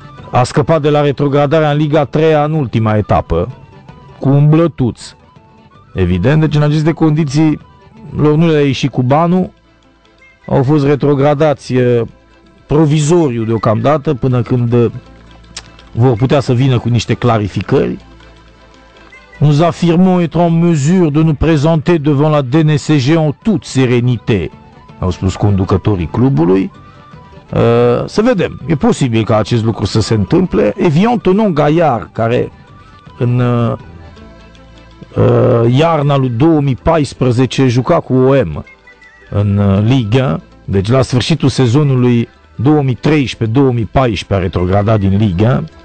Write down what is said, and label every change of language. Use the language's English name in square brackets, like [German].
[Romanian] a scăpat de la retrogradarea în Liga 3-a în ultima etapă, cu un blătuț. Evident, deci în aceste condiții lor nu le-a ieșit cu banul, au fost retrogradați provizoriu deocamdată, până când vor putea să vină cu niște clarificări. [French] Nous affirmons être en mesure de nous présenter devant la DNCG en toute sérénité, [Romanian] au spus conducătorii clubului. Să vedem, e posibil ca acest lucru să se întâmple. Evian Tonon Gaillard, care în iarna lui 2014 juca cu OM în Ligă, deci la sfârșitul sezonului 2013-2014 a retrogradat din Ligă,